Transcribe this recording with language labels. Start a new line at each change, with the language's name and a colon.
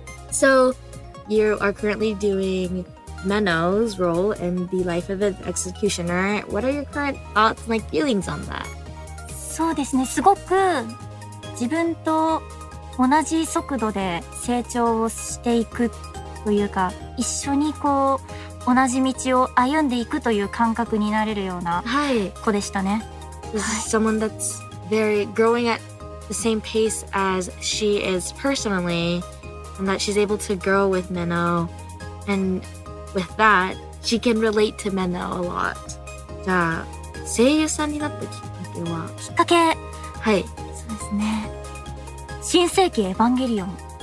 English: So you are currently doing Meno's role in The Life of an Executioner. What are your current thoughts and like feelings on that?
Japanese: So, すごく自分と同じ速度で成長をしていくというか、一緒にこう、 同じ道を歩んでいくという感覚になれるような子でしたね。はい。
English: Someone that's very growing at the same pace as she is personally, and that she's able to grow with Meno, and with that, she can relate to Meno a lot.
Japanese: じゃあ、声優さんになったきっかけは？きっかけ？はい。そうですね。新世紀エヴァンゲリオン。